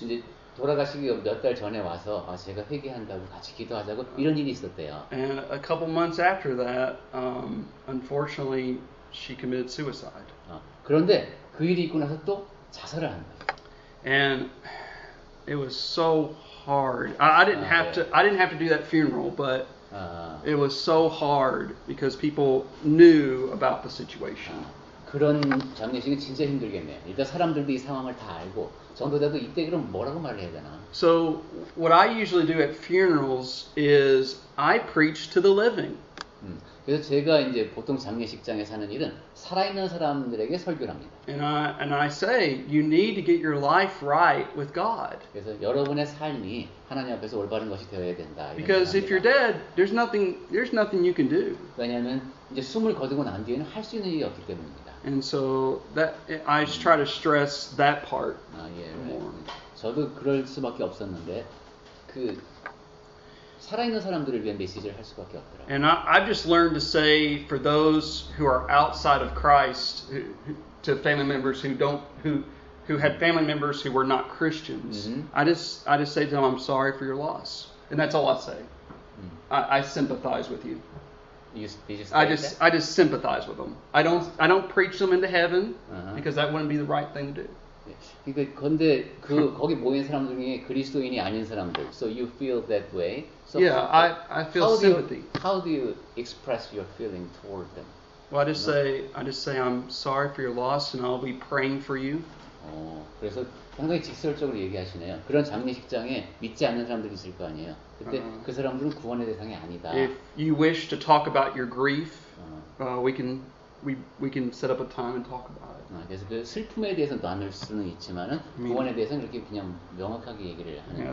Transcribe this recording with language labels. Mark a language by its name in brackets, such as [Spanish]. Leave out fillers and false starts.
[Korean] 근데 이제 돌아가시기 몇 달 전에 와서 아, 제가 회개한다고 같이 기도하자고 이런 일이 있었대요. [English] And a couple months after that, unfortunately, she committed suicide. [Korean] 그런데 그 일이 있고 나서 또 자살을 한 거예요. [English] And it was so hard. I didn't have to do that funeral, but it was so hard because people knew about the situation. [Korean] 그런 장례식은 진짜 힘들겠네요. 일단 사람들도 이 상황을 다 알고 전도자도 이때 그럼 뭐라고 말을 해야 되나? [English] So what I usually do at funerals is I preach to the living. [Korean] 그래서 제가 이제 보통 장례식장에 사는 일은 살아있는 사람들에게 설교를 합니다. [English] And I say you need to get your life right with God. [Korean] 그래서 여러분의 삶이 하나님 앞에서 올바른 것이 되어야 된다. [English] Because if you're dead, there's nothing you can do. [Korean] 왜냐하면 이제 숨을 거두고 난 뒤에는 할 수 있는 일이 없기 때문입니다. [English] And so that I just try to stress that part. [Korean] 아, 예, 네. 저도 그럴 수밖에 없었는데 그 살아있는 사람들을 위한 메시지를 할 수밖에 없더라고요. [English] And I've just learned to say for those who are outside of Christ, to family members who had family members who were not Christians, I just say to them, I'm sorry for your loss. And that's all I say. I sympathize with you. I just sympathize with them. I don't preach them into heaven because that wouldn't be the right thing to do. [Korean] 근데 그 거기 모인 사람 중에 그리스도인이 아닌 사람들. [English] So you feel that way. So yeah, I feel how sympathy. How do you express your feeling toward them? Well, I just say I'm sorry for your loss and I'll be praying for you. [Korean] 어, 그래서 굉장히 직설적으로 얘기하시네요. 그런 장례식장에 믿지 않는 사람들이 있을 거 아니에요. 그때 그 사람들은 구원의 대상이 아니다. [English] If you wish to talk about your grief, we can set up a time and talk about it. [Korean] 그래서 그 슬픔에 대해서 나눌 수는 있지만 구원에 대해서는 그렇게 그냥 명확하게 얘기를 하는